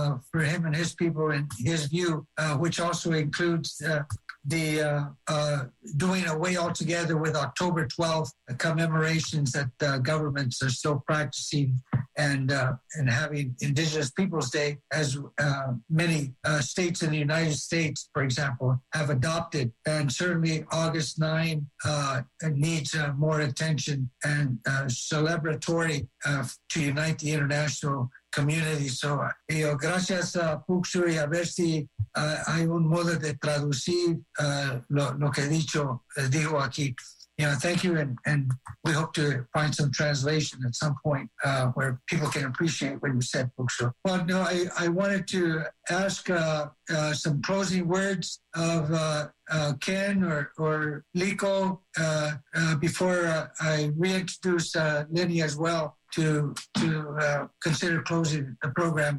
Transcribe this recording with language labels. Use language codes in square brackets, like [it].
[en] for him and his people and his view, which also includes doing away altogether with October 12th commemorations that governments are still practicing, and having Indigenous Peoples Day, as many states in the United States, for example, have adopted. And certainly August 9 needs more attention and celebratory to unite the international community. [es] So, gracias a Puxu, y a ver si hay un modo de traducir lo que dijo aquí. [en] Thank you, and we hope to find some translation at some point where people can appreciate what you said, Puxu. Well, no, I wanted to ask some closing words of Ken or Liko before I reintroduce Lenny as well to consider closing the program.